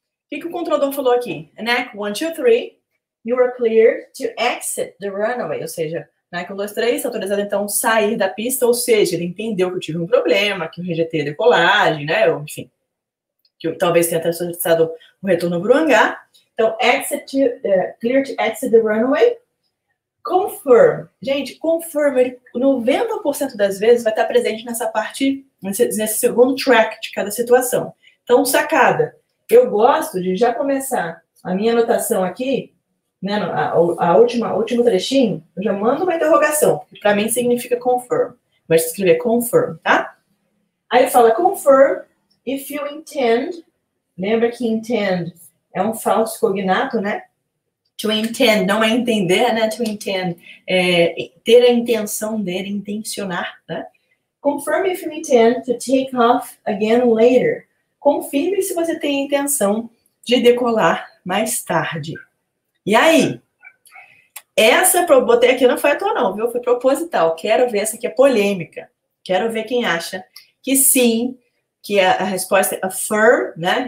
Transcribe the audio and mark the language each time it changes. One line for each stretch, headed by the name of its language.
Portuguese: O que que o controlador falou aqui? ENAC 123.
English: You are clear to exit the runway.
Portuguese: Ou seja, na ECO 23, autorizado então sair da pista. Ou seja, ele entendeu que eu tive um problema, que eu rejeitei a decolagem, né? Ou, enfim, que eu, talvez tenha até solicitado o retorno para o hangar. Então,
English: exit to, clear to exit the runway. Confirm.
Portuguese: Gente,
English: confirm.
Portuguese: Ele, 90% das vezes vai estar presente nessa parte, nesse segundo track de cada situação. Então, sacada. Eu gosto de já começar a minha anotação aqui. Né, a última trechinho, eu já mando uma interrogação. Para mim significa confirm. Vai escrever confirm, tá? Aí fala
English: confirm if you intend.
Portuguese: Lembra que intend é um falso cognato, né? To intend, não é entender, né? To intend é ter a intenção dele, intencionar, né?
English: Confirm if you intend to take off again later.
Portuguese: Confirme se você tem a intenção de decolar mais tarde. E aí, essa, botei aqui, não foi à toa não, viu? Foi proposital, quero ver, essa aqui é polêmica, quero ver quem acha que sim, que a resposta é affirm, né?